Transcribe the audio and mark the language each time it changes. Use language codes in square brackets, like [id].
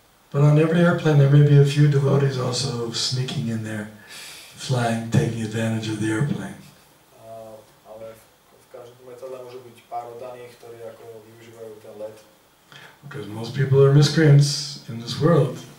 [en] But on every airplane there may be a few devotees also sneaking in there, flying, taking advantage of the airplane. [sk] Ale v každom letadle môže byť pár oddaných, ktorí ako využívajú ten let. [en] Because most people are miscreants in this world.